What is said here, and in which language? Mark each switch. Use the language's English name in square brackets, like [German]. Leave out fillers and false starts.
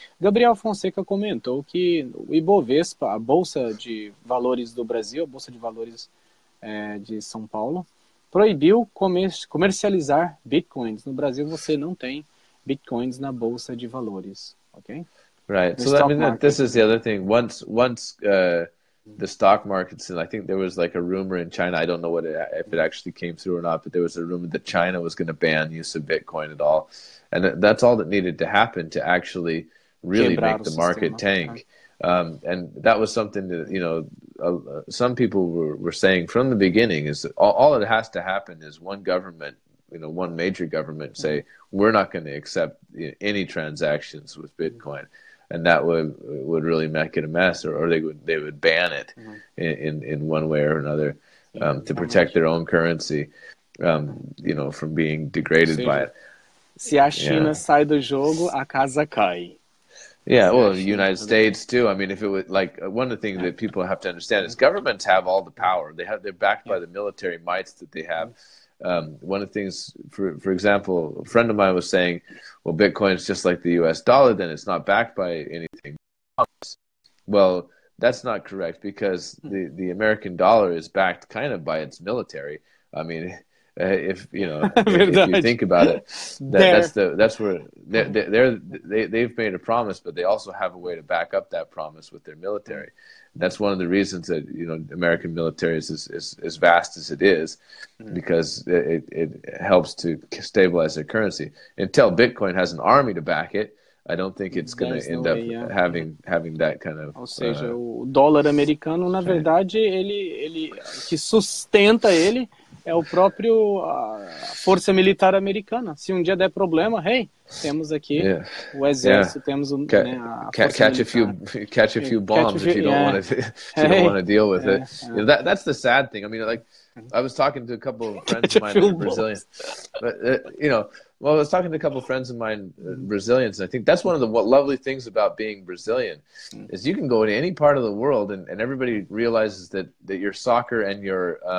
[Portuguese] Gabriel Fonseca comentou que o Ibovespa, a Bolsa de Valores do Brasil, a Bolsa de Valores de São Paulo, proibiu comercializar Bitcoins. No Brasil, você não tem Bitcoins na Bolsa de Valores, ok? [English] Right. So, I mean, this is the other thing. Once the stock markets. And I think there was like a rumor in China. I don't know what it, if it actually came through or not, but there was a rumor that China was going to ban use of Bitcoin at all. And that's all that needed to happen to actually really [Portuguese] quebrar [English] make the market [Portuguese] sistema. [English] Tank. And that was something that, you know, some people were saying from the beginning is that all that has to happen is one government, you know, one major government say, we're not going to accept any transactions with Bitcoin. And that would really make it a mess, or they would ban it in one way or another to protect their own currency, you know, from being degraded by it. [Portuguese] Se a China sai do jogo, a casa cai. [English] Yeah, well, the United States too. I mean, if it was like one of the things that people have to understand is governments have all the power. They have, they're backed by the military mights that they have. One of the things, for example, a friend of mine was saying, well, Bitcoin is just like the U.S. dollar, then it's not backed by anything. Well, that's not correct because the American dollar is backed kind of by its military. I mean, if you know, if you think about it, that's where they've made a promise, but they also have a way to back up that promise with their military. That's one of the reasons that, you know, American military is as vast as it is, because it helps to stabilize their currency. Until Bitcoin has an army to back it, I don't think it's going to end up having that kind of... [Portuguese] Ou seja, o dólar americano, na verdade, ele que sustenta ele é o próprio força militar americana. Se dia der problema, hey... Temos aqui o exército, temos [English] catch a few bombs if you don't want to deal with it. You know, that's the sad thing. I mean, like, I was talking to a couple of friends of mine in Brazilian. But, you know, well, I was talking to a couple of friends of mine, Brazilians, and I think that's one of the lovely things about being Brazilian, is you can go to any part of the world and everybody realizes that your soccer and your...